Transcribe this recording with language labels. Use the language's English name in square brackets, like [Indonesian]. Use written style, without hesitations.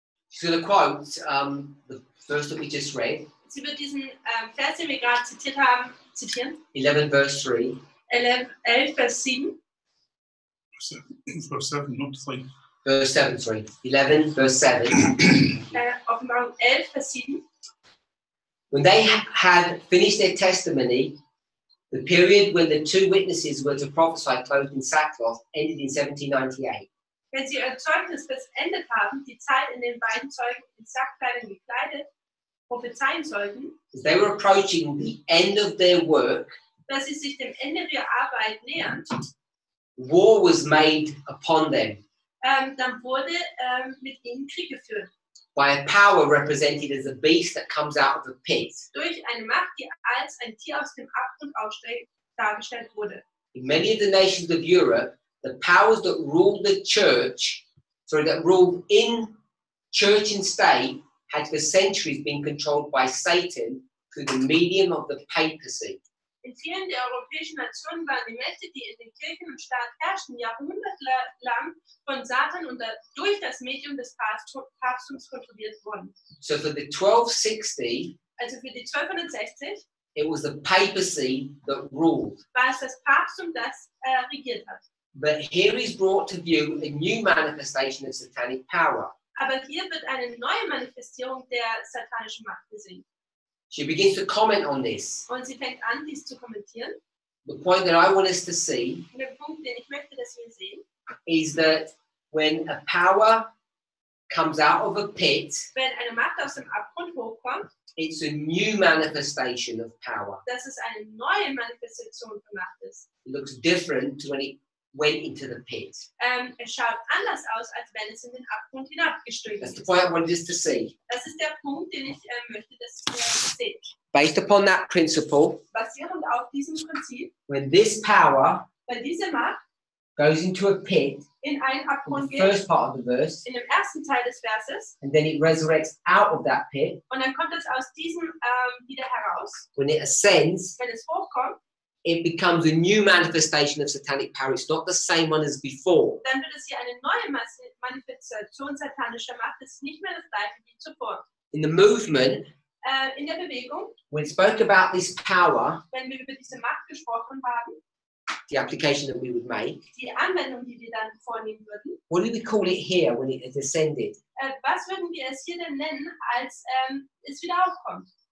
[English] She's going to quote the verse that we just read. [German] Sie wird diesen Vers, den wir gerade zitiert haben, zitieren. [English] 11, verse 3. [German] 11, Vers 7. [English] Verse 7, not 3. Verse 7, sorry. 11, verse 7. [German] Offenbarung 11, Vers 7. [English] When they had finished their testimony, the period when the two witnesses were to prophesy clothed in sackcloth ended in 1798. [German] Wenn sie ihr Zeugnis bis Ende haben, die Zeit in den beiden Zeugen in Sackkleidern gekleidet, prophezeien sollten, [English] they were approaching the end of their work, [German] dass sie sich dem Ende ihrer Arbeit nähern, [English] war was made upon them. [German] Dann wurde mit ihnen Krieg geführt. [English] By a power represented as a beast that comes out of the pit. [German] Durch eine Macht, die als ein Tier aus dem Abgrund aufsteigt, dargestellt wurde. [English] In many of the nations of Europe, the powers that ruled the church, sorry, that ruled in church and state, had for centuries been controlled by Satan through the medium of the papacy. [German] In vielen der europäischen Nationen waren die Mächte, die in den Kirchen und Staat herrschten, jahrhundertelang von Satan und durch das Medium des Papsttums kontrolliert worden. [English] So for the 1260, [German] also für die 1260, [English] it was the papacy that ruled. [German] War es das Papsttum, das regiert hat. [English] But here is brought to view a new manifestation of satanic power. [German] Aber hier wird eine neue Manifestierung der satanischen Macht gesehen. [English] She begins to comment on this. [German] Und sie fängt an, dies zu kommentieren. [English] The point that I want us to see, [German] der Punkt, den ich möchte, dass wir sehen, [English] is that when a power comes out of a pit, [German] wenn eine Macht aus dem Abgrund hochkommt, [English] it's a new manifestation of power. [German] Das ist eine neue Manifestation von Macht ist. [English] It looks different to when it went into the pit. [German] Es schaut anders aus, als wenn es in den Abgrund hinabgestürzt ist. [English] That's the point I wanted us to see. [German] Das ist der Punkt, den ich möchte, dass wir sehen. [English] Based upon that principle, [German] basierend auf diesem Prinzip, [English] when this power, [German] wenn diese Macht [English] goes into a pit [German] in einen Abgrund [English] in the first part of the verse, [German] in dem ersten Teil des Verses, [English] and then it resurrects out of that pit, [German] und dann kommt es aus diesem, wieder heraus. [English] When it ascends, [German] wenn es hochkommt, [English] it becomes a new manifestation of satanic power. It's not the same one as before. [German] Dann wird es hier eine neue Manifestation satanischer Macht. Es ist nicht mehr das gleiche wie zuvor. [English] In the movement, [German] in der Bewegung, [English] when we spoke about this power, [German] wenn wir über diese Macht gesprochen haben, [English] the application that we would make, [German] die Anwendung, die wir dann vornehmen würden, [English] what do we call it here when it has ascended? [German] Was würden wir es hier denn nennen, als es wieder aufkommt?